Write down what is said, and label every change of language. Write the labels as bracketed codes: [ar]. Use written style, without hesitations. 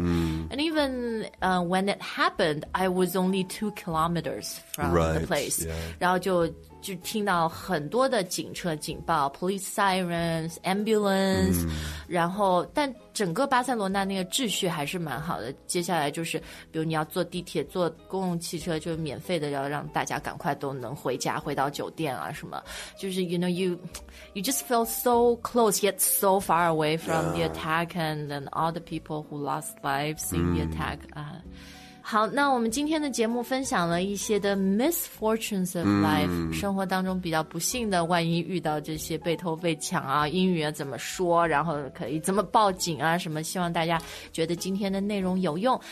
[en] And even when it happened, I was only 2 kilometers from the place. Right, yeah. [zh] 然后就就听到很多的警车警报 [en] police sirens, ambulance,、 [zh] 嗯、然后但整个巴塞罗那那个秩序还是蛮好的，接下来就是比如你要坐地铁坐公共汽车就免费的，要让大家赶快都能回家回到酒店啊什么，就是 [en] you know you just feel so close yet so far away from、 yeah. the attack and then all the people who lost lives in、 [zh] 嗯、 [en] the attack、 [zh] 好，那我们今天的节目分享了一些的 [en] misfortunes of life、 [zh] 嗯、生活当中比较不幸的，万一遇到这些被偷被抢啊，英语怎么说，然后可以怎么报警啊什么，希望大家觉得今天的内容有用。